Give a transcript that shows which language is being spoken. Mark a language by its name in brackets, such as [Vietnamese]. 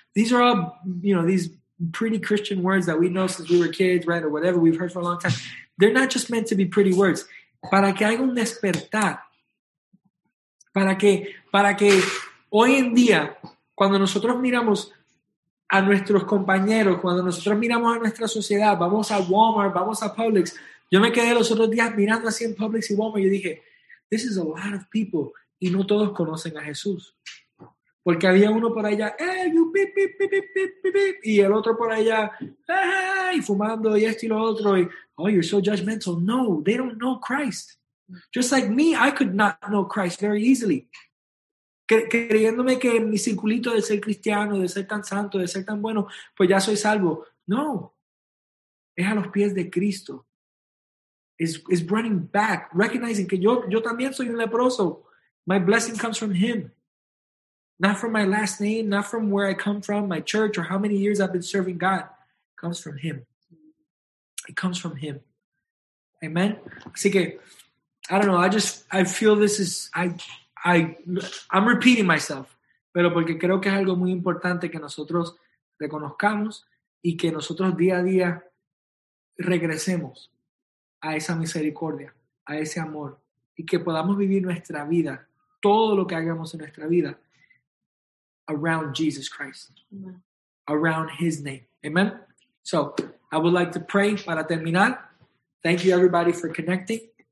[English] These are all, you know, these pretty Christian words that we know since we were kids, right, or whatever, we've heard for a long time. They're not just meant to be pretty words. [Spanish] Para que haya un despertar. Para que hoy en día, cuando nosotros miramos a nuestros compañeros, cuando nosotros miramos a nuestra sociedad, vamos a Walmart, vamos a Publix. Yo me quedé los otros días mirando así en Publix y Walmart y dije, [English] this is a lot of people. [Spanish] Y no todos conocen a Jesús. Porque había uno por allá, [English] hey, you beep, beep, [Spanish] beep, beep, beep, beep. Y el otro por allá, hey, fumando y esto y lo otro. [English] Y, oh, you're so judgmental. No, they don't know Christ. Just like me, I could not know Christ very easily. [Spanish] Creyéndome que mi circulito de ser cristiano, de ser tan santo, de ser tan bueno, pues ya soy salvo. No, es a los pies de Cristo. [English] Is running back, recognizing [Spanish] que yo también soy un leproso. [English] My blessing comes from him. Not from my last name, not from where I come from, my church, or how many years I've been serving God. It comes from him. It comes from him. Amen? [Spanish] Así que, [English] I don't know, I'm repeating myself. [Spanish] Pero porque creo que es algo muy importante que nosotros reconozcamos y que nosotros día a día regresemos a esa misericordia, a ese amor, y que podamos vivir nuestra vida, todo lo que hagamos en nuestra vida, [English] around Jesus Christ, around his name. Amen. So I would like to pray [Spanish] para terminar. [English] Thank you everybody for connecting.